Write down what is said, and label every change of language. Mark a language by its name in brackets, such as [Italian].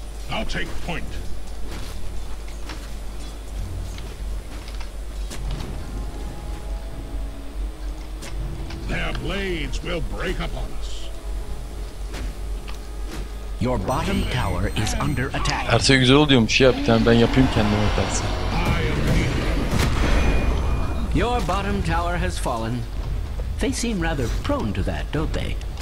[English] I'll take point. Their blades will break upon us. Your bottom tower is under attack. [Turkish] Her şey güzel oluyormuş ya, bir tane ben yapayım kendime dersin. [English] Your bottom tower has fallen. They seem rather prone to that, don't they?